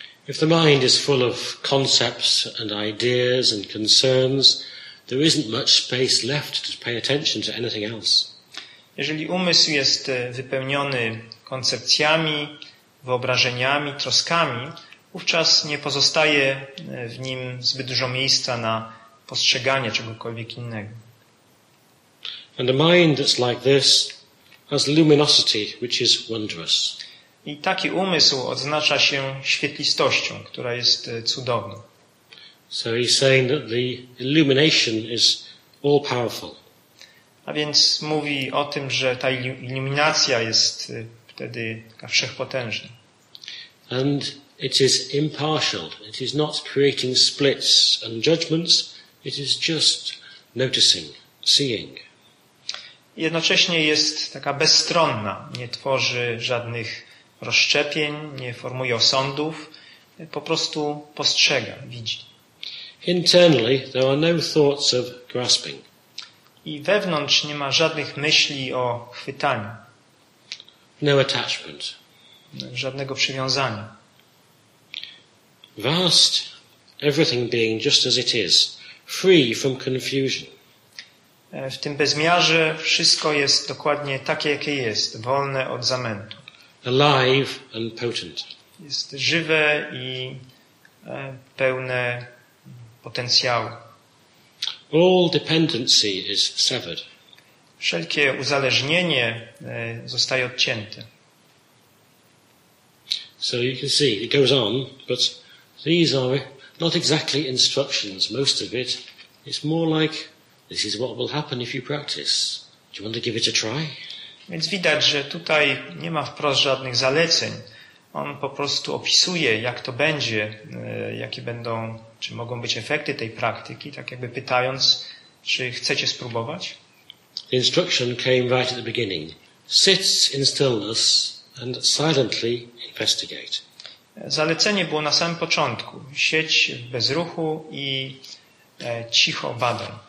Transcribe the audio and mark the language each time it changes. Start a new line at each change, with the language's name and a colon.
English: If the mind is full of concepts and ideas and concerns, there isn't much space left to pay attention to anything else.
Polish: Jeżeli umysł jest wypełniony koncepcjami, wyobrażeniami, troskami, wówczas nie pozostaje w nim zbyt dużo miejsca na postrzeganie czegokolwiek innego.
English: And a mind that's like this has luminosity, which is wondrous.
Polish: I taki umysł odznacza się świetlistością, która jest cudowna.
English: So he's saying that the illumination is all powerful.
Polish: A więc mówi o tym, że ta iluminacja jest wtedy taka wszechpotężna.
English: And it is impartial. It is not creating splits and judgments. It is just noticing, seeing.
Polish: Jednocześnie jest taka bezstronna. Nie tworzy żadnych rozszczepień, nie formuje osądów. Po prostu postrzega, widzi.
English: Internally, there are no thoughts of grasping.
Polish: I wewnątrz nie ma żadnych myśli o chwytaniu.
English: No attachment.
Polish: Żadnego przywiązania.
English: Vast, everything being just as it is, free from confusion.
Polish: W tym bezmiarze wszystko jest dokładnie takie, jakie jest, wolne od zamętu.
English: Alive and potent.
Polish: Jest żywe i pełne potencjału.
English: All dependency is severed.
Polish: Wszelkie uzależnienie zostaje odcięte.
English: So you can see, it goes on, but these are not exactly instructions, most of it. It's more like, this is what will happen if you practice. Do you want to give it a try?
Polish: Więc widać, że tutaj nie ma wprost żadnych zaleceń. On po prostu opisuje, jak to będzie, jakie będą, czy mogą być efekty tej praktyki, tak jakby pytając, czy chcecie spróbować?
English: The instruction came right at the beginning. Sit in stillness and silently investigate.
Polish: Zalecenie było na samym początku. Siedź w bezruchu i cicho badaj.